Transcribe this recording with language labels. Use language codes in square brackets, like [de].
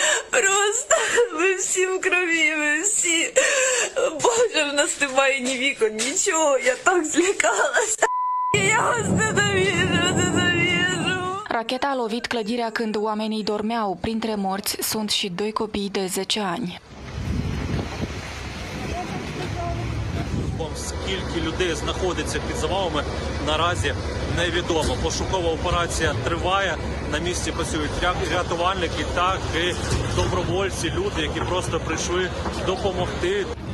[uk] Просто ми всі в крові, ми всі. Боже, в нас немає ні вікон, нічого. Я так злякалася. Я вас не довіжу, не довіжу. [ro] Ракета a lovit clădirea când oamenii dormeau. Printre morți sunt și doi copii de 10 ani. [uk] Скільки людей знаходиться під завалами, наразі невідомо. Пошукова операція триває. На місці працюють рятувальники, так і добровольці, люди, які просто прийшли допомогти.